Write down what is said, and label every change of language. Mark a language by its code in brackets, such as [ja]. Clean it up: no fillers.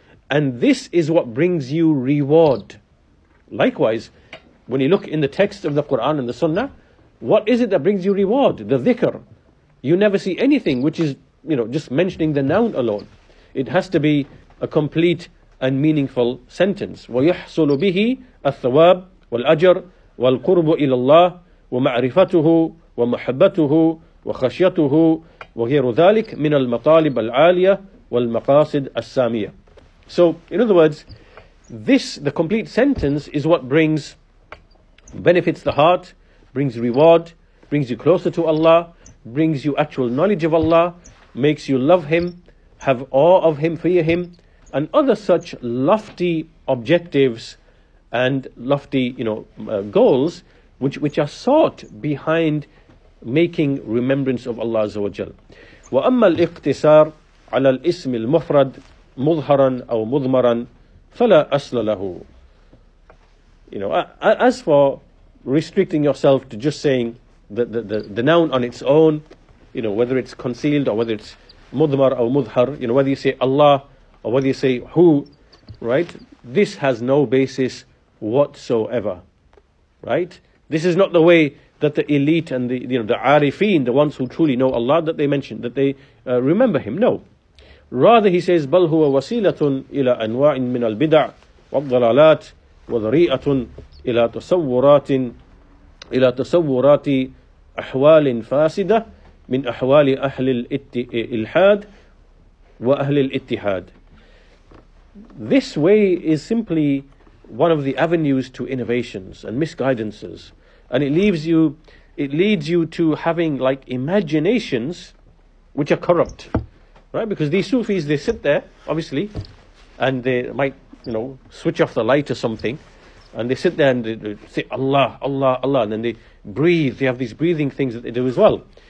[en] And this is what brings you reward. Likewise, when you look in the text of the Quran and the Sunnah, what is it that brings you reward? The dhikr. You never see anything which is, you know, just mentioning the noun alone. It has to be a complete and meaningful sentence. [ar] وَيَحْصُلُ بِهِ الثَّوَابِ والأجر والقرب إلى الله ومعرفته ومحبته وخشيته وغير ذلك من المطالب العالية والمقاصد السامية. [en] So in other words, this, the complete sentence, is what brings, benefits the heart, brings reward, brings you closer to Allah, brings you actual knowledge of Allah, makes you love Him, have awe of Him, fear Him, and other such lofty objectives and lofty, you know, goals which are sought behind making remembrance of Allah Azza wa Jal. [ar] وَأَمَّا الْإِقْتِسَارُ عَلَى الْإِسْمِ الْمُفْرَدِ مُظْهَرًا أَوْ مُضْمَرًا فَلَا أَصْلَ لَهُ. [en] You know, as for restricting yourself to just saying the noun on its own, you know, whether it's concealed or whether it's [ar] مُضْمَر أو مُظْهَر, [en] you know, whether you say Allah or whether you say who, right? This has no basis whatsoever, right? This is not the way that the elite and the, you know, the arifin, the ones who truly know Allah, that they mention, that they remember Him. No. Rather, he says, [ar] بَلْ هُوَ وَسِيلَةٌ إِلَىٰ أَنْوَاعٍ مِنَ الْبِدَعِ وَالضَّلَالَاتِ وَذَرِيئَةٌ إِلَىٰ تَصَوُّرَاتٍ إِلَىٰ تَصَوُّرَاتِ أَحْوَالٍ فَاسِدَةٍ مِنْ أَحْوَالِ أَهْلِ الْإِلْحَادِ وَأَهْلِ الْإِتِّحَادِ. [en] This way is simply one of the avenues to innovations and misguidances. And it leads you to having like imaginations which are corrupt, right? Because these Sufis, they sit there, obviously, and they might, you know, switch off the light or something, and they sit there and they say, Allah, Allah, Allah, and then they breathe, they have these breathing things that they do as well.